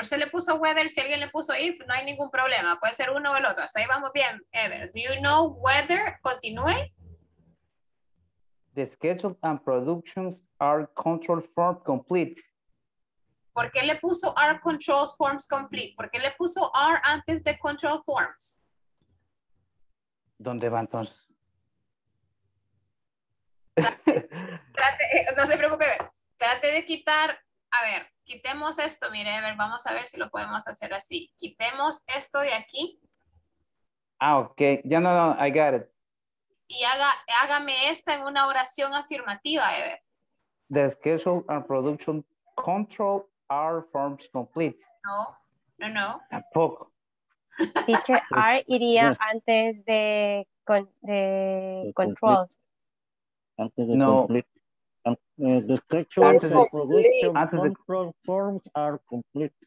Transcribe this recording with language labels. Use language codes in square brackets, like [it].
[es] Usted le puso whether, si alguien le puso if, no hay ningún problema. Puede ser uno o el otro. Hasta ahí vamos bien, Ever. [en] Do you know whether? [es] Continúe. [en] The schedule and productions are control form complete. [es] ¿Por qué le puso [en] are control forms complete? [es] ¿Por qué le puso are antes de control forms? ¿Dónde va entonces? Trate, no se preocupe. Trate de quitar, a ver. quitemos esto, mire, a ver, vamos a ver si lo podemos hacer así. Quitemos esto de aquí. Ah, ok. Ya no, no, [en] I got it. [es] Y hágame esta en una oración afirmativa, Ever. [en] The schedule and production control are forms complete. [es] No, no, no. Tampoco. Teacher, R iría yes. antes de, con, de control. Antes de no. complete. [en] The schedule and production control forms are complete.